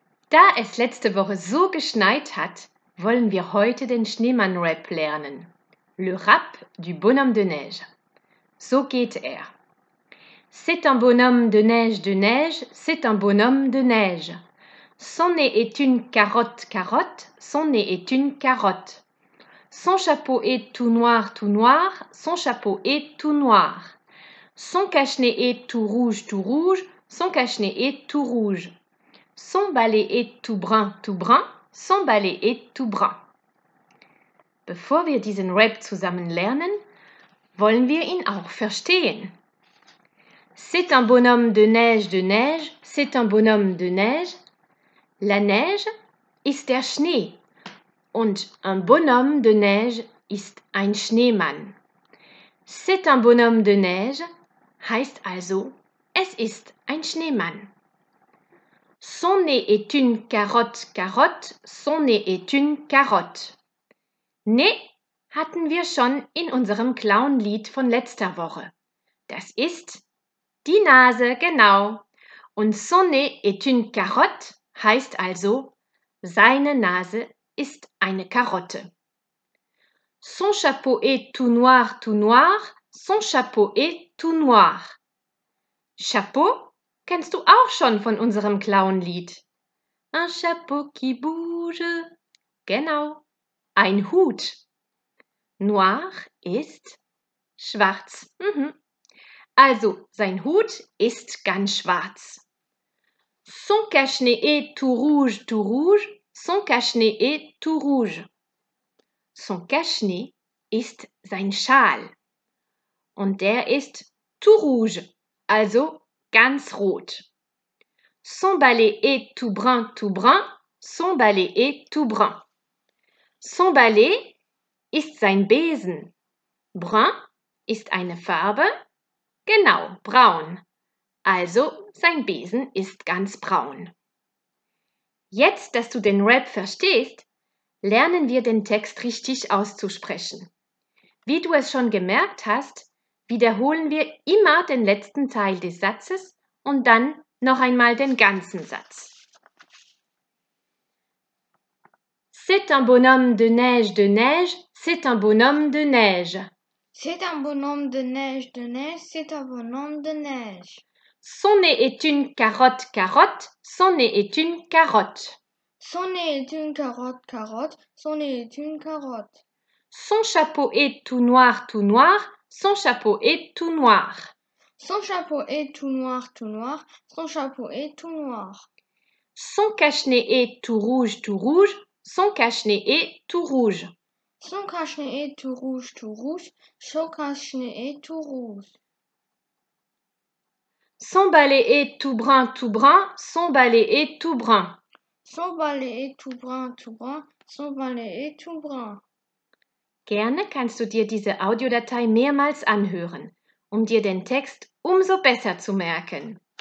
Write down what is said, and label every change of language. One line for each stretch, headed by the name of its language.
German: Da es letzte Woche so geschneit hat, wollen wir heute den Schneemann-Rap lernen.
French: Le rap du bonhomme de neige.
German: So geht er.
French: C'est un bonhomme de neige, c'est un bonhomme de neige. Son nez est une carotte, carotte, son nez est une carotte. Son chapeau est tout noir, tout noir, son chapeau est tout noir. Son cache-nez est tout rouge, tout rouge. Son cache-nez est tout rouge. Son balai est tout brun, son balai est tout brun.
German: Bevor wir diesen Rap zusammen lernen, wollen wir ihn auch verstehen.
French: C'est un bonhomme de neige, c'est un bonhomme de neige.
German: La neige ist der Schnee. Und un bonhomme de neige ist ein Schneemann.
French: C'est un bonhomme de neige
German: heißt also, es ist ein Schneemann.
French: Son nez est une carotte, carotte, son nez est une carotte.
German: Nez hatten wir schon in unserem Clown-Lied von letzter Woche. Das ist die Nase, genau. Und
French: son nez est une carotte
German: heißt also, seine Nase ist eine Karotte.
French: Son chapeau est tout noir, tout noir. Son chapeau est tout noir.
German: Chapeau kennst du auch schon von unserem Clown-Lied.
French: Un chapeau qui bouge.
German: Genau, ein Hut. Noir ist schwarz. Also, sein Hut ist ganz schwarz.
French: Son cache-nez est tout rouge, tout rouge. Son cache-nez est tout rouge.
German: Son cache-nez ist sein Schal. Und der ist tout rouge. Also ganz rot.
French: Son balai est tout brun, tout brun. Son balai est tout brun.
German: Son balai ist sein Besen. Brun ist eine Farbe. Genau, braun. Also sein Besen ist ganz braun. Jetzt, dass du den Rap verstehst, lernen wir den Text richtig auszusprechen. Wie du es schon gemerkt hast, wiederholen wir immer den letzten Teil des Satzes und dann noch einmal den ganzen Satz.
French: C'est un bonhomme de neige, c'est un bonhomme de neige. C'est un bonhomme de neige, c'est un bonhomme de neige. Son nez est une carotte, carotte, son nez est une carotte. Son nez est une carotte, carotte, son nez est une carotte. Son chapeau est tout noir, tout noir. Son chapeau est tout noir. Son chapeau est tout noir, tout noir. Son chapeau est tout noir. Son cache-nez est tout rouge, tout rouge. Son cache-nez est tout rouge. Son cache-nez est tout rouge, tout rouge. Son cache-nez est tout rouge. Son balai est tout brun, tout brun. Son balai est tout brun. Son balai est tout brun, tout brun. Son balai est tout brun.
German: Gerne kannst du dir diese Audiodatei mehrmals anhören, um dir den Text umso besser zu merken.